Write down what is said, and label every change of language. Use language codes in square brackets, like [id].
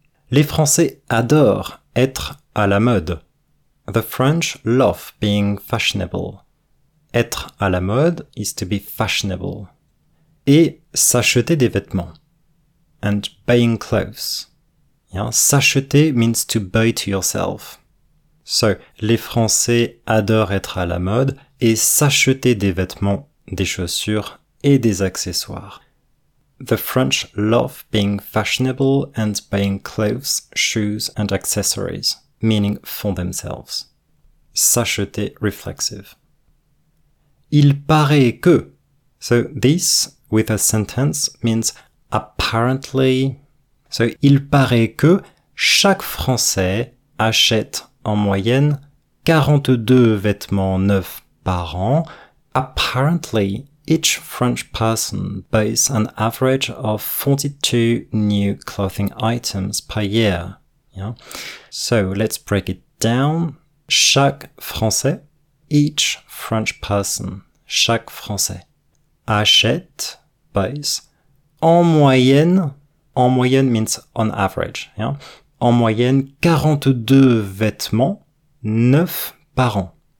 [fr] Les Français adorent être à la mode. [en] The French love being fashionable. Être à la mode is to be fashionable. [fr] Et s'acheter des vêtements. [en] And buying clothes. Yeah? S'acheter means to buy to yourself. [fr] So, les Français adorent être à la mode et s'acheter des vêtements, des chaussures et des accessoires. [en] The French love being fashionable and buying clothes, shoes and accessories, meaning for themselves. [fr] S'acheter reflexive. Il paraît que. [en] So, this with a sentence means apparently. [fr] So, il paraît que chaque Français achète en moyenne, 42 vêtements neufs par an. [en] Apparently, each French person buys an average of 42 new clothing items per year. Yeah. So, let's break it down. [fr] Chaque Français, [en] each French person, [fr] chaque Français, achète, buys, en moyenne [en] means on average, yeah, [fr] en moyenne 42 vêtements neufs par an.